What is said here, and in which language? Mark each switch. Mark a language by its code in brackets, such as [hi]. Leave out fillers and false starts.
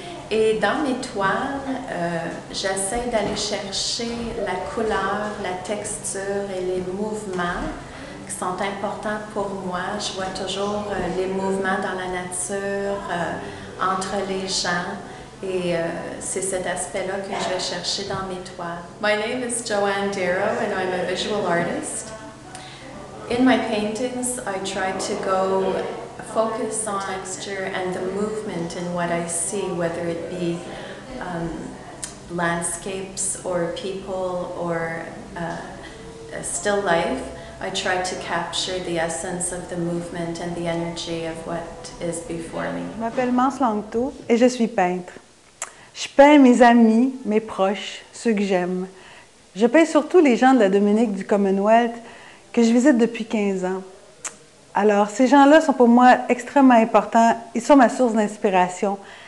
[fr] Et dans mes toiles, j'essaie d'aller chercher la couleur, la texture et les mouvements qui sont importants pour moi. Je vois toujours les mouvements dans la nature, entre les gens, et c'est cet aspect-là que je vais chercher dans mes toiles. [en] My name is Joanne Darrow and I'm a visual artist. In my paintings, I try to go focus on texture and the movement in what I see, whether it be landscapes or people or still life. I try to capture the essence of the movement and the energy of what is before me. [fr] Je m'appelle Mance Langteau et je suis peintre. Je peins mes amis, mes proches, ceux que j'aime. Je peins surtout les gens de la Dominique du Commonwealth que je visite depuis 15 ans. Alors, ces gens-là sont pour moi extrêmement importants. Ils sont ma source d'inspiration.